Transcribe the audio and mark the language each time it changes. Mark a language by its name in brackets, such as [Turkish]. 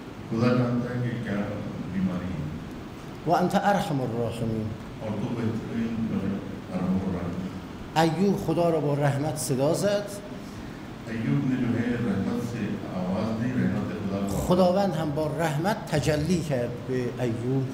[Urdu] خدا جانتا ہے کہ کیا بیماری ہے [Arabic] و انت ارحم الراحمین [Urdu] اور تو بہترین ارحم الراحمین [Persian] ایوب خدا را با رحمت صدا زد [Urdu] ایوب نے جو ہے رحمت سے آواز دی رحمت خدا [Persian] خداوند هم با رحمت تجلی کرد به ایوب